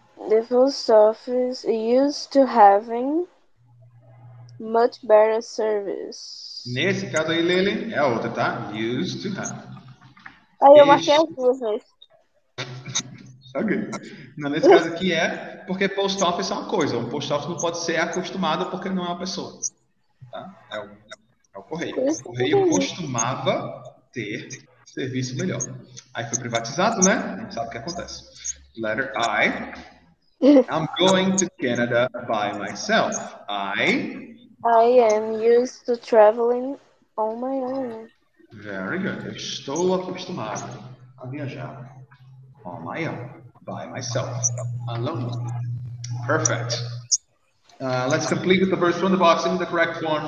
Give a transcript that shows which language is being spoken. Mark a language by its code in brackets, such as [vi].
[en] The post office used to having much better service. [pt] Nesse caso aí, Lili, é a outra, tá? [en] Used to have. [pt] Aí eu marquei as duas vezes. Ok. Não, nesse caso aqui é, porque post office é uma coisa. Um post office não pode ser acostumado porque não é uma pessoa. Tá? É o correio. O correio costumava ter serviço melhor. Aí foi privatizado, né? Não sabe o que acontece. [en] Letter I. I'm going to Canada by myself. I am used to traveling on my own. Very good. [pt] Eu estou acostumado a viajar [en] on my own. By myself, alone. Perfect. Let's complete with the verse from the box in the correct form.